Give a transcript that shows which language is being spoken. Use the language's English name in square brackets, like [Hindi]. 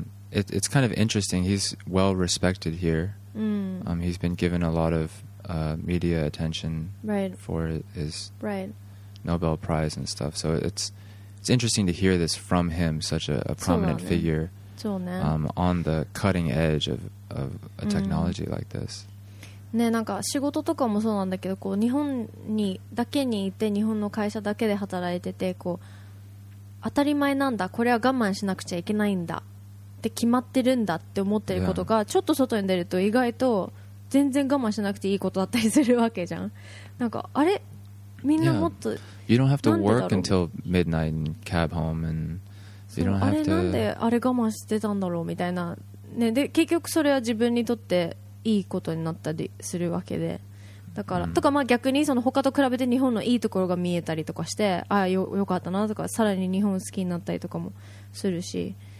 [English] It's kind of interesting. He's well respected here. He's been given a lot of media attention for his Nobel Prize and stuff. So it's interesting to hear this from him, such a prominent figure. On the cutting edge of a technology like this. [Japanese] ね、なんか仕事とかもそうなんだけど、こう日本にだけにいて日本の会社だけで働いてて、こう当たり前なんだ、これは我慢しなくちゃいけないんだって決まってるんだって思ってることが、ちょっと外に出ると意外と全然我慢しなくていいことだったりするわけじゃん。なんかあれ、みんなもっと、 [English] You don't have to work until midnight and cab home and [Japanese] あれなんであれ我慢してたんだろうみたいな、ね、で結局それは自分にとっていいことになったりするわけで、だから、とかまあ逆にその他と比べて日本のいいところが見えたりとかして、ああ よかったなとか、さらに日本好きになったりとかもするし、